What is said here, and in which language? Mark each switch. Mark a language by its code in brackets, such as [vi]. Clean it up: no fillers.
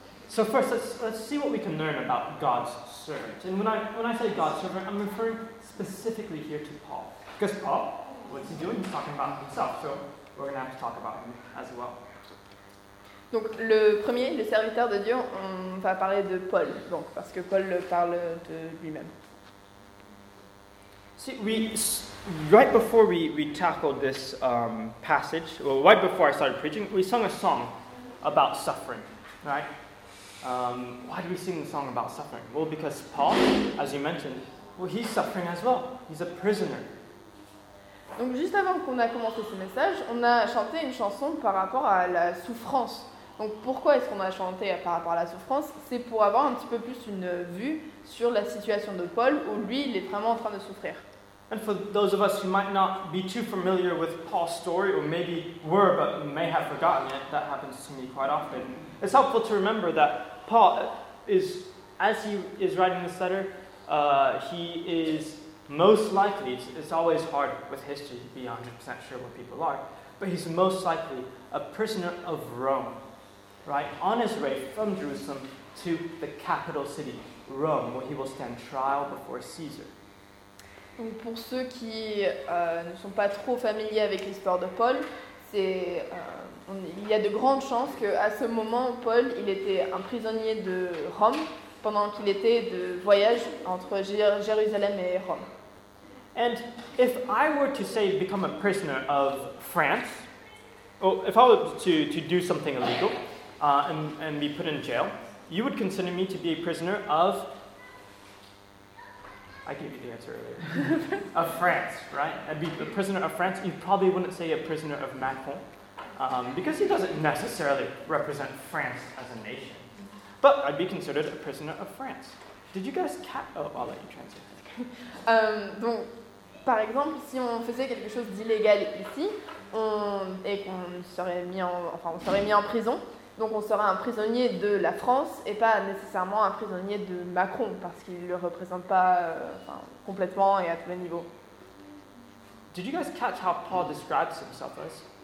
[en] So first, let's see what we can learn about God's servant. And when I say God's servant, I'm referring specifically here to Paul. Because Paul, what's he doing? He's talking about himself. So we're going to have to talk about him as well. [fr] Donc le premier, le serviteur de Dieu, on va parler de Paul. Donc parce que Paul parle de lui-même. [en] See, right before we tackled this passage, well, right before I started preaching, we sung a song about suffering, right? Why do we sing the song about suffering? Well, because Paul, as you mentioned, well, he's suffering as well. He's a prisoner. [fr] Donc, juste avant qu'on a commencé ce message, on a chanté une chanson par rapport à la souffrance. Donc, pourquoi est-ce qu'on a chanté par rapport à la souffrance? C'est pour avoir un petit peu plus une vue sur la situation de Paul, où lui, il est vraiment en train de souffrir. [en] And for those of us who might not be too familiar with Paul's story, or maybe were but may have forgotten it, that happens to me quite often, it's helpful to remember that Paul is, as he is writing this letter, he is Most likely, it's always hard with history to be 100% sure what people are, but he's most likely a prisoner of Rome, right? On his way from Jerusalem to the capital city, Rome, where he will stand trial before Caesar. [fr] Donc pour ceux qui ne sont pas trop familiers avec l'histoire de Paul, c'est, il y a de grandes chances qu'à ce moment, Paul il était un prisonnier de Rome pendant qu'il était de voyage entre Jérusalem et Rome. [en] And if I were to say become a prisoner of France, or if I were to do something illegal and be put in jail, you would consider me to be a prisoner of... I gave you the answer earlier. Of France, right? I'd be a prisoner of France. You probably wouldn't say a prisoner of Macron, because he doesn't necessarily represent France as a nation. But I'd be considered a prisoner of France. Did you guys catch? Oh, I'll let you translate. [fr] Donc, par exemple, si on faisait quelque chose d'illégal ici, et qu'on serait mis en, enfin, on serait mis en prison, donc on serait un prisonnier de la France et pas nécessairement un prisonnier de Macron parce qu'il ne le représente pas enfin, complètement et à tous les niveaux. [en] Did you guys catch how Paul describes himself as?